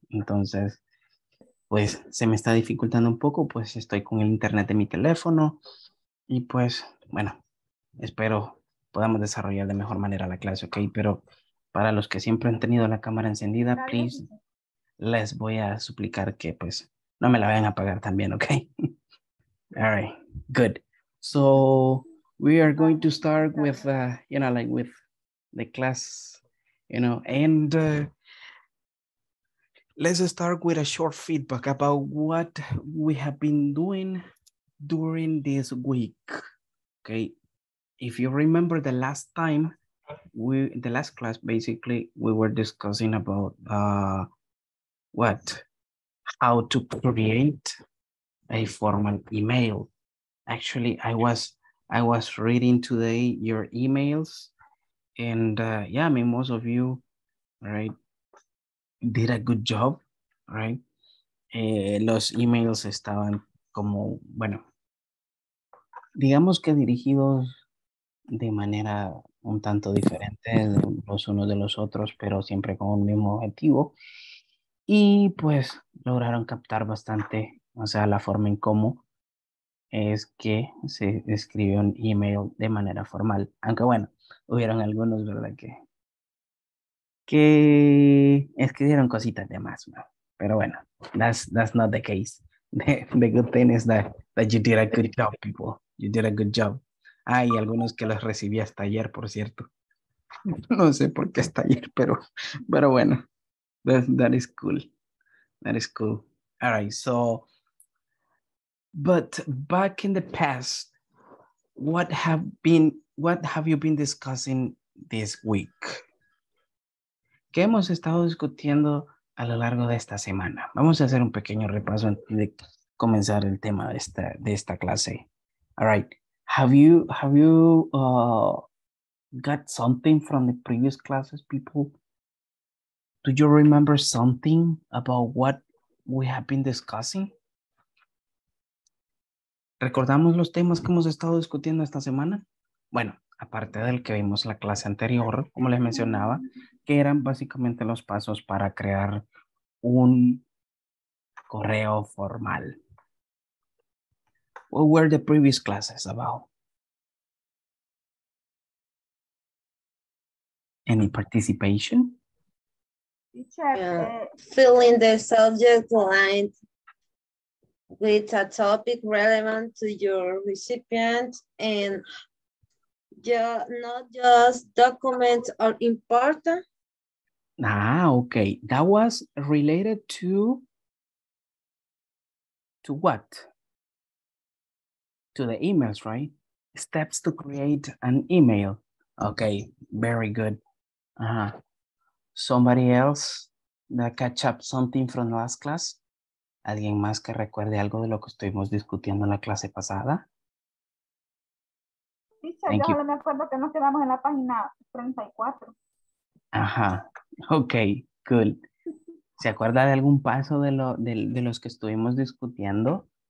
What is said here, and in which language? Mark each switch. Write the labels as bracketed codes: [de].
[es] Entonces, pues se me está dificultando un poco, pues estoy con el internet de mi teléfono. Y pues, bueno, espero podamos desarrollar de mejor manera la clase, ¿ok? Pero para los que siempre han tenido la cámara encendida, please, les voy a suplicar que pues no me la vayan a apagar también, ¿ok? [en] All right, good. So... we are going to start with, you know, like with the class, you know, and let's start with a short feedback about what we have been doing during this week. Okay. If you remember the last time, the last class, basically, we were discussing about how to create a formal email. Actually, I was reading today your emails, and yeah, I mean, most of you, right, did a good job, right? [es] Los emails estaban como, bueno, digamos que dirigidos de manera un tanto diferente los unos de los otros, pero siempre con un mismo objetivo. Y pues lograron captar bastante, o sea, la forma en cómo es que se escribe un email de manera formal. Aunque bueno, hubieron algunos, ¿verdad? Que escribieron cositas de más, ¿no? Pero bueno, [en] that's not the case. The good thing is that you did a good job, people. You did a good job. [es] Ah, y algunos que los recibí hasta ayer, por cierto. No sé por qué hasta ayer, pero bueno. [en] That is cool. That is cool. All right, so... But back in the past, what have you been discussing this week? [es] ¿Qué hemos estado discutiendo a lo largo de esta semana? Vamos a hacer un pequeño repaso antes de comenzar el tema de esta clase. [en] All right. Have you got something from the previous classes, people? Do you remember something about what we have been discussing? [es] ¿Recordamos los temas que hemos estado discutiendo esta semana? Bueno, aparte del que vimos la clase anterior, como les mencionaba, que eran básicamente los pasos para crear un correo formal. [en] What were the previous classes about? Any participation? Fill in the subject line with a topic relevant to your recipient and not just documents are important. Ah, okay. That was related to what? To the emails, right? Steps to create an email. Okay, very good. Somebody else that catch up something from last class? [es] ¿Alguien más que recuerde algo de lo que estuvimos discutiendo en la clase pasada? Sí, yo me acuerdo que nos quedamos en la página 34. [en] Ajá, okay, good. [es] ¿Se acuerda de algún paso de los que estuvimos discutiendo?